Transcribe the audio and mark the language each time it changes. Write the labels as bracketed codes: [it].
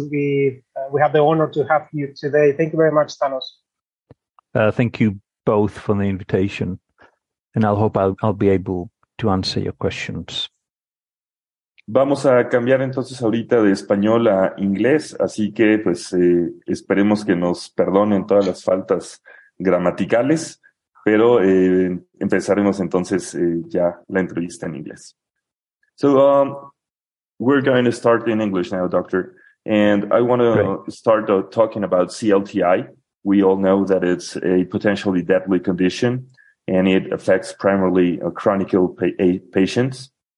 [en] We have the honor to have you today. Thank you very much, Thanos. Thank you both for the invitation. And I'll hope I'll be able to answer your questions. [es] Vamos a cambiar entonces ahorita de español a inglés, así que pues esperemos que nos perdonen todas las faltas gramaticales, pero empezaremos entonces ya la entrevista en inglés. [en] So we're going to start in English now, doctor, and I want to start talking about CLTI. We all know that it's a potentially deadly condition and it affects primarily chronic ill patients.